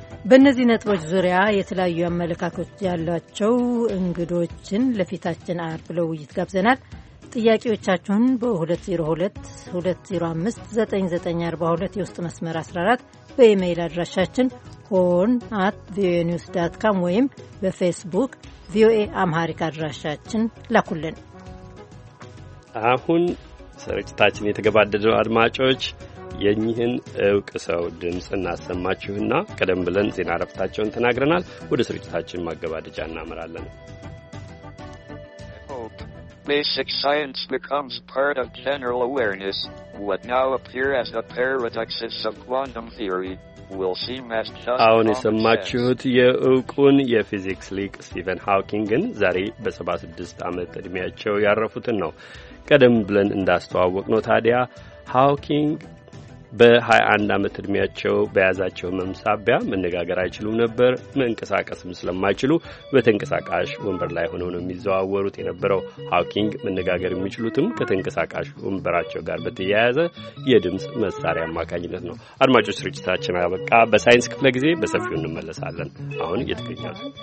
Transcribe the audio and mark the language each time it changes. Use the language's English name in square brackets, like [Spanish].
[Amharic] በእነዚህ ነጥቦች ዙሪያ የተለያዩ አመለካከቶች ያሏቸው እንግዶችን ለፊታችን አርብ ለውይይት ጋብዘናል። ጥያቄዎቻችሁን በ202-205-9942 የውስጥ መስመር 14 በኢሜይል አድራሻችን ሆን አት ቪኦኤ ኒውስ ዳት ካም ወይም በፌስቡክ ቪኦኤ አምሃሪክ አድራሻችን ላኩልን። አሁን ስርጭታችን የተገባደደው አድማጮች የኚህን እውቅ ሰው ድምፅ እናሰማችሁና ቀደም ብለን ዜና ረፍታቸውን ተናግረናል ወደ ስርጭታችን ማገባደጃ እናመራለን። [English] basic science becomes part of general awareness, what now appear as the paradoxes of quantum theory will seem as just common sense. [Amharic] አሁን የሰማችሁት የእውቁን የፊዚክስ ሊቅ ስቲቨን ሃውኪንግን ዛሬ በ76 ዓመት ዕድሜያቸው ያረፉትን ነው። ቀደም ብለን እንዳስተዋወቅ ነው ታዲያ ሃውኪንግ በ21 ዓመት ዕድሜያቸው በያዛቸው መምሳቢያ መነጋገር አይችሉም ነበር። መንቀሳቀስም ስለማይችሉ በተንቀሳቃሽ ወንበር ላይ ሆነው ነው የሚዘዋወሩት የነበረው። ሃውኪንግ መነጋገር የሚችሉትም ከተንቀሳቃሽ ወንበራቸው ጋር በተያያዘ የድምፅ መሳሪያ አማካኝነት ነው። አድማጮች፣ ስርጭታችን አበቃ። በሳይንስ ክፍለ ጊዜ በሰፊው እንመለሳለን። አሁን እየተገኛሉ